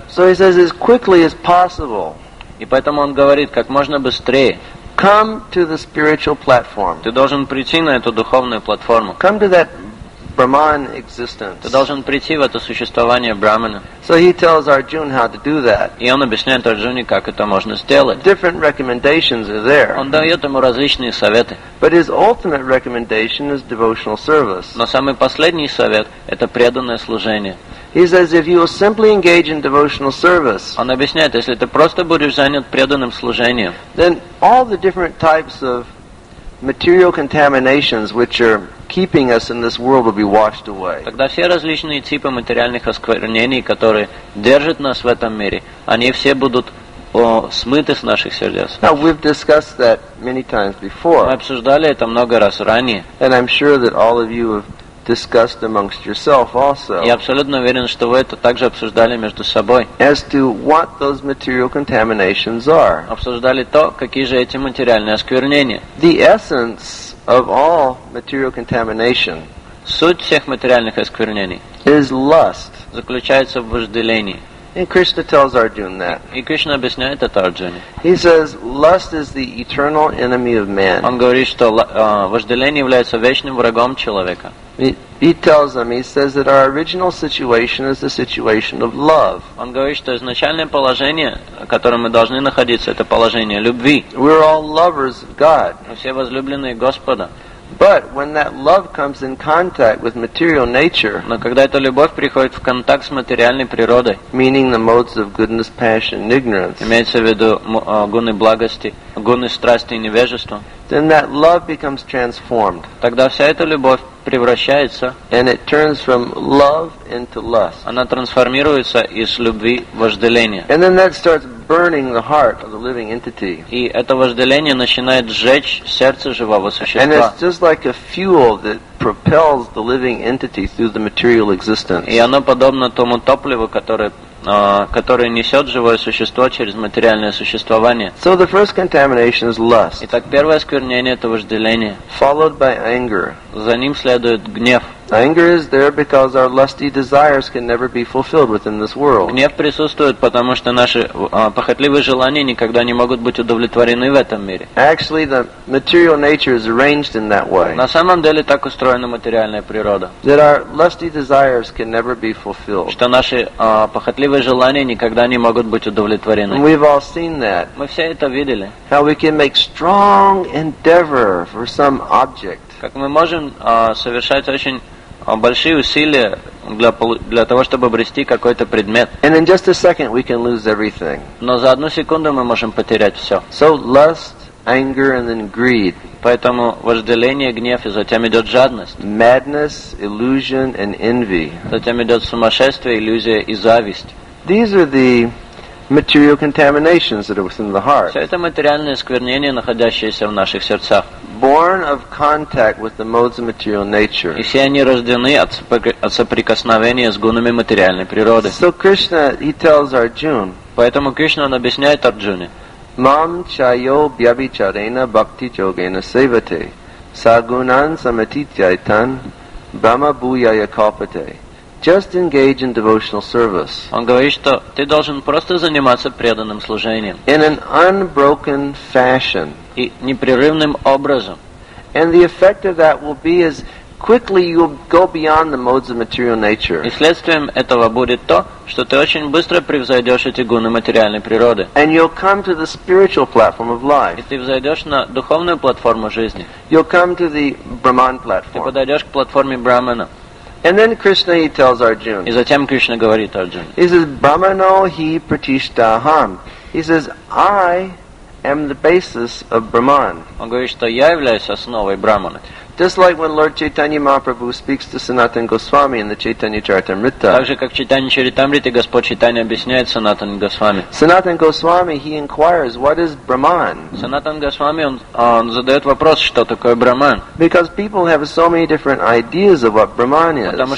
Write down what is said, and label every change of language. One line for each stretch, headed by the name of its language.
English: So he says, as quickly as possible.
Russian: И поэтому он говорит, как можно быстрее.
English: Come to the spiritual platform.
Russian: Ты должен прийти на эту духовную платформу.
English: Come to that Brahman existence.
Russian: Ты должен прийти в это существование Брахмана.
English: So he tells Arjuna how to do that.
Russian: И он объясняет Арджуне, как это можно сделать.
English: Different recommendations are there.
Russian: Он дает ему различные советы.
English: But his ultimate recommendation is devotional service.
Russian: Но самый последний совет — это преданное служение.
English: He says, if you will simply engage in devotional service,
Russian: он объясняет, если ты просто будешь занят преданным служением,
English: then all the different types of material contaminations which are keeping us in this world will be washed away.
Russian: Тогда все различные типы материальных осквернений, которые держат нас в этом мире, они все будут смыты с наших сердец.
English: Now we've discussed that many times before.
Russian: Мы обсуждали это много раз ранее.
English: And I'm sure that all of you have discussed amongst yourself also.
Russian: Я абсолютно уверен, что вы это также обсуждали между собой.
English: As to what those material contaminations are.
Russian: Обсуждали то, какие же эти материальные осквернения.
English: The essence of all material contamination.
Russian: Суть всех материальных осквернений.
English: Is lust.
Russian: Заключается в вожделении.
English: And Krishna tells Arjuna that.
Russian: И Кришна объясняет это Арджуне.
English: He says, lust is the eternal enemy of man.
Russian: Он говорит, что вожделение является вечным врагом человека.
English: He tells them, he says that our original situation is the situation of love.
Russian: Он говорит, что изначальное положение, в котором мы должны находиться, это положение любви.
English: We're all lovers of God.
Russian: Мы все возлюбленные Господа.
English: But when that love comes in contact with material nature,
Russian: но когда эта любовь приходит в контакт с материальной природой,
English: meaning the modes of goodness, passion, and ignorance,
Russian: имеется в виду гуны благости, гуны страсти и невежества,
English: then that love becomes transformed.
Russian: Тогда вся эта любовь превращается,
English: and it turns from love into lust.
Russian: Она трансформируется из любви в вожделение.
English: And then that starts burning the heart of the living entity.
Russian: И это вожделение начинает жечь сердце живого существа.
English: And it's just like a fuel that propels the living entity through the material existence.
Russian: И оно подобно тому топливу, которое несет живое существо через материальное существование.
English: So the first contamination is lust.
Russian: Итак, первое осквернение это вожделение.
English: Followed by anger.
Russian: За ним следует гнев.
English: Anger is there because our lusty desires can never be fulfilled within this world.
Russian: Гнев присутствует, потому что наши похотливые желания никогда не могут быть удовлетворены в этом мире.
English: Actually, the material nature is arranged in that way.
Russian: На самом деле так устроена материальная природа.
English: That our lusty desires can never be fulfilled.
Russian: Что наши похотливые желания никогда не могут быть удовлетворены.
English: We've all seen that.
Russian: Мы все это видели.
English: How we can make strong endeavor for some object.
Russian: Как мы можем совершать очень большие усилия для того, чтобы обрести какой-то предмет.
English: And in just a second we can lose everything.
Russian: Но за одну секунду мы можем потерять все.
English: So lust, anger, and then greed.
Russian: Поэтому вожделение, гнев, и затем идет жадность.
English: Madness, illusion, and envy.
Russian: Затем идет сумасшествие, иллюзия и зависть.
English: These are the material contaminations that are within the heart.
Russian: Все это материальные осквернения, находящиеся в наших сердцах.
English: Born of contact with the modes of material nature.
Russian: И все они рождены от соприкосновения с гунами материальной природы.
English: So Krishna, he tells Arjuna.
Russian: Поэтому Кришна объясняет Арджуне.
Sanskrit: Mam chayo bhyabhicharena bhakti yogena sevate sagunan samatityaitan brahma bhuyaya kalpate.
English: Just engage in devotional service.
Russian: Он говорит, что ты должен просто заниматься преданным служением.
English: In an unbroken fashion.
Russian: И непрерывным образом.
English: And the effect of that will be as quickly you'll go beyond the modes of material nature.
Russian: И следствием этого будет то, что ты очень быстро превзойдешь эти гуны материальной природы.
English: And you'll come to the spiritual platform of life.
Russian: И ты взойдешь на духовную платформу жизни.
English: You'll come to the Brahman platform.
Russian: Ты подойдешь к платформе Брахмана.
English: And then Krishna he tells Arjuna.
Russian: И затем Кришна говорит Арджуне.
English: He says,
Sanskrit: "Brahmano hi pratishtaham."
English: He says, "I am the basis of Brahman."
Russian: Он говорит, что я являюсь основой Брахмана.
English: Just like when Lord Chaitanya Mahaprabhu speaks to Sanatan Goswami in the Chaitanya Charitamrita.
Russian: Так же, как Чайтанья Чаритамрита, Господь Чайтанья объясняет Санатан Госвами.
English: Sanatan Goswami, he inquires, what is Brahman?
Russian: Sanatan Goswami, он задает вопрос, что такое Брахман.
English: Because people have so many different ideas of what Brahman is.